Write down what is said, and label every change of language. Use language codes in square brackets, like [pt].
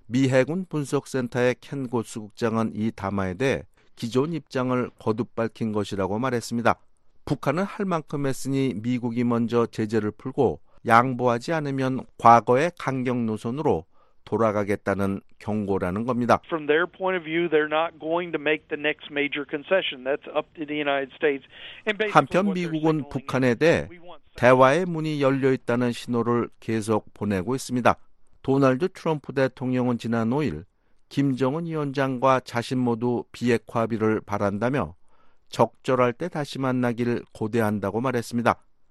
[ko] 미 해군 분석센터의 켄 고스 국장은 이 담화에 대해 기존 입장을 거듭 밝힌 것이라고 말했습니다. 북한은 할 만큼 했으니 미국이 먼저 제재를 풀고 양보하지 않으면 과거의 강경 노선으로 돌아가겠다는 경고라는 겁니다. [en] From their point of view, they're not going to make the next major concession. That's up to the United States. [ko] 한편 미국은 북한에 대해 대화의 문이 열려 있다는 신호를 계속 보내고 있습니다. 도널드 트럼프 대통령은 지난 5일 김정은 위원장과 자신 모두 비핵화 합의를 바란다며 적절할 때 다시 만나기를 고대한다고 말했습니다.